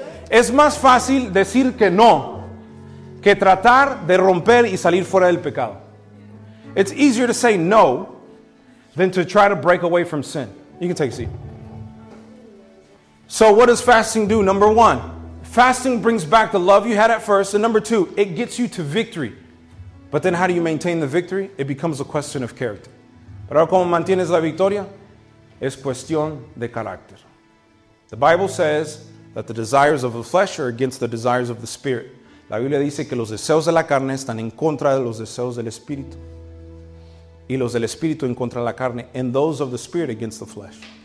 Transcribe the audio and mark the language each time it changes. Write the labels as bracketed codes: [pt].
[es] Es más fácil decir que no que tratar de romper y salir fuera del pecado. [en] It's easier to say no than to try to break away from sin. You can take a seat. So what does fasting do? Number one, fasting brings back the love you had at first. And number two, it gets you to victory. But then how do you maintain the victory? It becomes a question of character. [es] Pero ¿cómo mantienes la victoria? Es cuestión de carácter. [en] The Bible says that the desires of the flesh are against the desires of the spirit. [es] La Biblia dice que los deseos de la carne están en contra de los deseos del espíritu. Y los del espíritu en contra de la carne. [en] And those of the spirit against the flesh.